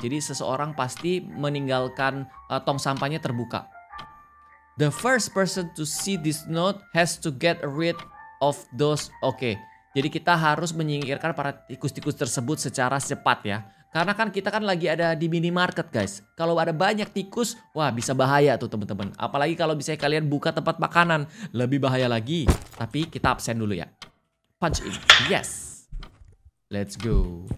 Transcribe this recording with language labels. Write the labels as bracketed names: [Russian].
[Indonesian] Jadi seseorang pasti meninggalkan tong sampahnya terbuka. [English] The first person to see this note has to get rid of those. Okay. [Indonesian] Jadi kita harus menyingkirkan para tikus-tikus tersebut secara cepat ya. Karena kan kita kan lagi ada di minimarket, guys. Kalau ada banyak tikus, wah bisa bahaya tuh, teman-teman. Apalagi kalau misalnya kalian buka tempat makanan, lebih bahaya lagi. Tapi kita absen dulu ya. [English] Punch in. Yes. Let's go.